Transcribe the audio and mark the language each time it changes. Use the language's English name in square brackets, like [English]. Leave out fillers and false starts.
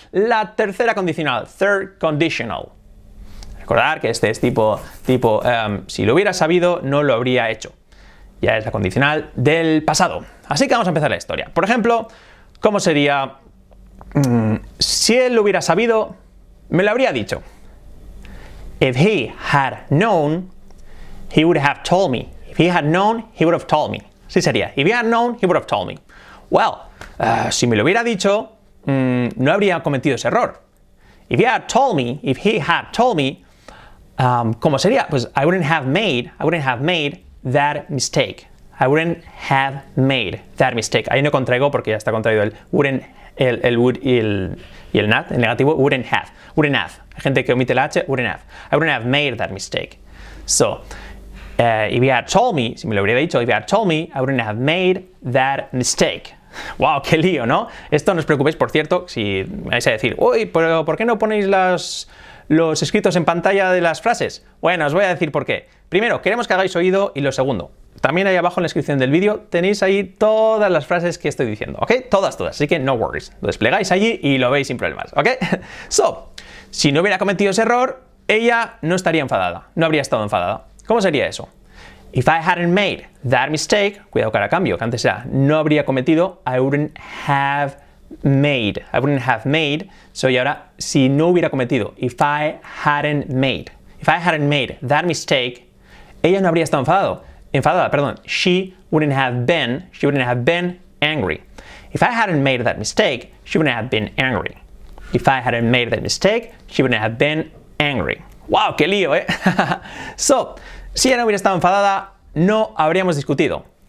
[Spanish] La tercera condicional, third conditional. Recordar que este es tipo, si lo hubiera sabido, no lo habría hecho. Ya es la condicional del pasado. Así que vamos a empezar la historia. Por ejemplo, ¿cómo sería? Si él lo hubiera sabido, me lo habría dicho. [English] If he had known, he would have told me. If he had known, he would have told me. [Spanish] Sí sería. [English] If he had known, he would have told me. [Spanish] Well, si me lo hubiera dicho, no habría cometido ese error. [English] If he had told me, [Spanish] ¿Cómo sería? [English] Pues I wouldn't have made that mistake. I wouldn't have made that mistake. [Spanish] Ahí no contraigo porque ya está contraído el wouldn't, el would y el not, el negativo, wouldn't have. Wouldn't have. Hay gente que omite la H, [English] wouldn't have. I wouldn't have made that mistake. So, if you had told me, [Spanish] si me lo hubiera dicho, [English] if you had told me, I wouldn't have made that mistake. [Spanish] ¡Wow! ¡Qué lío!, ¿no? Esto no os preocupéis, por cierto, si vais a decir, uy, pero ¿por qué no ponéis los escritos en pantalla de las frases? Bueno, os voy a decir por qué. Primero, queremos que hagáis oído, y lo segundo, también ahí abajo en la descripción del vídeo tenéis ahí todas las frases que estoy diciendo, ¿ok? Todas, todas, así que [English] no worries. [Spanish] Lo desplegáis allí y lo veis sin problemas, ¿ok? So, si no hubiera cometido ese error, ella no estaría enfadada, no habría estado enfadada. ¿Cómo sería eso? [English] If I hadn't made that mistake, [Spanish] cuidado que ahora cambio, que antes era no habría cometido, [English] I wouldn't have made, [Spanish] so y ahora, si no hubiera cometido, [English] if I hadn't made that mistake, [Spanish] ella no habría estado enfadada, [English] she wouldn't have been angry. If I hadn't made that mistake, she wouldn't have been angry. If I hadn't made that mistake, she wouldn't have been angry. [Spanish] Wow, qué lío, ¿eh? So, si ella no hubiera estado enfadada, no habríamos discutido.